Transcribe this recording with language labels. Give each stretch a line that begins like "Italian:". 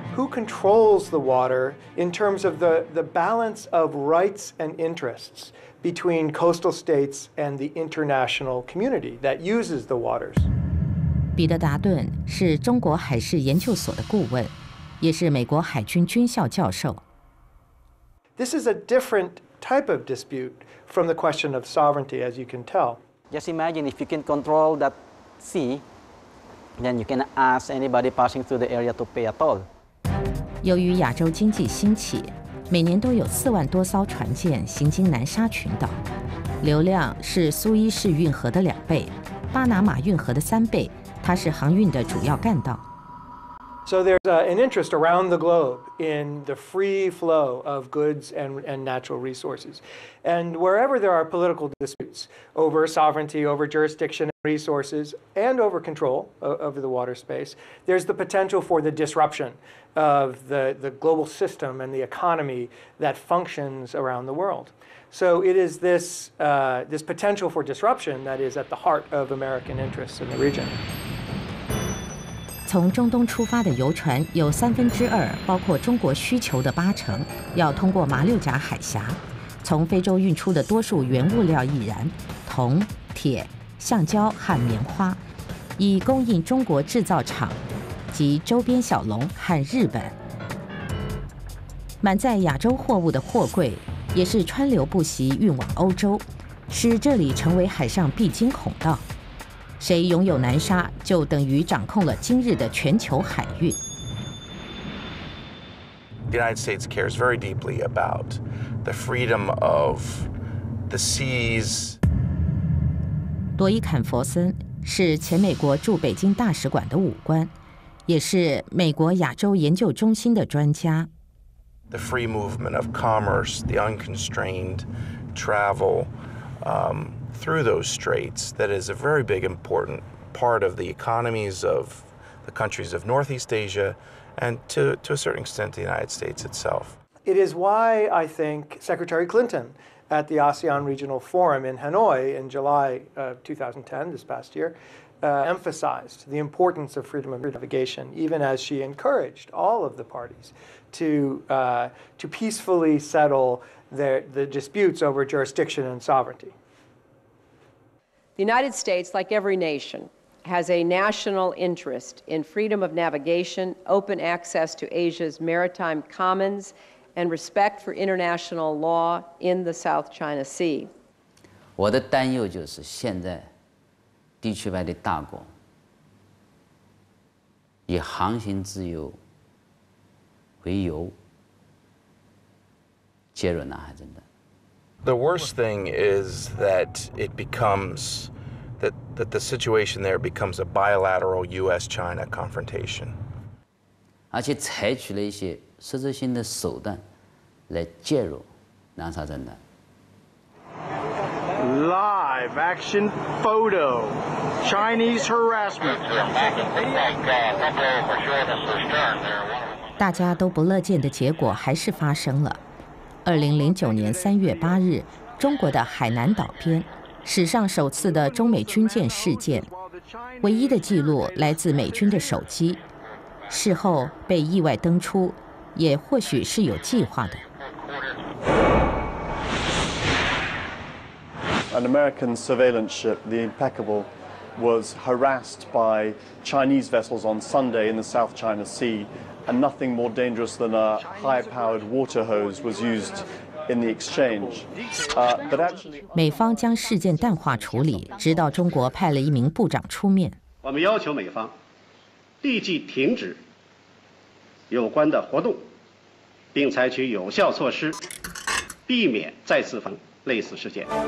English: Controls the water in terms of the balance of rights and interests between coastal states and the international community that uses the waters.
Chinese: 彼得·达顿是中国海事研究所的顾问，也是美国海军军校教授。
English: This is a different type of dispute from the question of sovereignty, as you can tell. Just imagine if you can control that sea, then you can ask anybody passing through the area to pay a toll.
Chinese: 由于亚洲经济兴起，每年都有4万多艘船舰行经南沙群岛，流量是苏伊士运河的2倍，巴拿马运河的3倍，它是航运的主要干道。
English: So there's an interest around the globe in the free flow of goods and natural resources, and wherever there are political disputes over sovereignty, over jurisdiction, resources, and over control over the water space, there's the potential for the disruption of the global system and the economy that functions around the world. So it is this potential for disruption that is at the heart of American interests in the region.
Chinese: 从中东出发的油船有2/3，包括中国需求的80%，要通过马六甲海峡。从非洲运出的多数原物料亦然，铜、铁、橡胶和棉花，以供应中国制造厂及周边小龙和日本。满载亚洲货物的货柜也是川流不息运往欧洲，使这里成为海上必经孔道。谁拥有南沙，就等于掌控了今日的全球海运。
English: The United States cares very deeply about the freedom of the seas.
Chinese: 罗伊·坎佛森是前美国驻北京大使馆的武官，也是美国亚洲研究中心的专家。
English: The free movement of commerce, the unconstrained travel, through those straits, that is a very big important part of the economies of the countries of Northeast Asia and to a certain extent the United States itself. It is why I think Secretary Clinton at the ASEAN Regional Forum in Hanoi in July of 2010, this past year, emphasized the importance of freedom of navigation, even as she encouraged all of the parties to peacefully settle the disputes over jurisdiction and sovereignty. The United States, like every nation, has a national interest in freedom of navigation, open access to Asia's maritime commons, and respect for international law in the South China Sea.
Chinese: 我的担忧就是现在地区外的大国以航行自由为由介入南海争端。
English: The worst thing is that it becomes. That the situation there becomes a bilateral U.S.-China confrontation.
Chinese: 而且采取了一些实质性的手段来介入南沙争端。
English: Live action photo, Chinese harassment.
Chinese: 大家都不乐见的结果还是发生了。2009年3月8日，中国的海南岛边。史上首次的中美军舰事件，唯一的记录来自美军的手机，事后被意外登出，也或许是有计划的。
English: An American surveillance ship, the Impeccable, was harassed by Chinese vessels on Sunday in the South China Sea, and nothing more dangerous than a high-powered water hose was used. In the exchange, but actually,
Chinese: 美方将事件淡化处理，直到中国派了一名部长出面。我们要求美方立即停止有关的活动，并采取有效措施，避免再次发生类似事件。